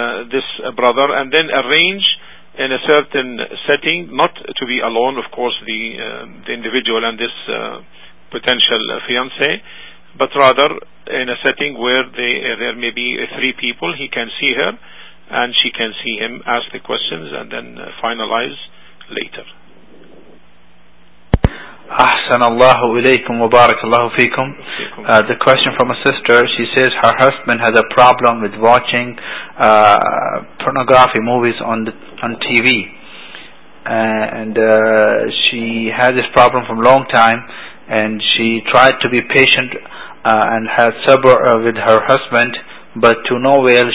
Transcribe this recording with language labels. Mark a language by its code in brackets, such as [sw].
[en] this brother and then arrange in a certain setting, not to be alone, of course, the individual and this potential fiancé, but rather in a setting where there may be three people. He can see her and she can see him, ask the questions, and then finalize later. [ar] أحسن الله إليكم وبارك الله فيكم. [en] The question from a sister. She says her husband has a problem with watching pornography movies on TV, and she had this problem for a long time, and she tried to be patient and had sabr with her husband, but to no avail.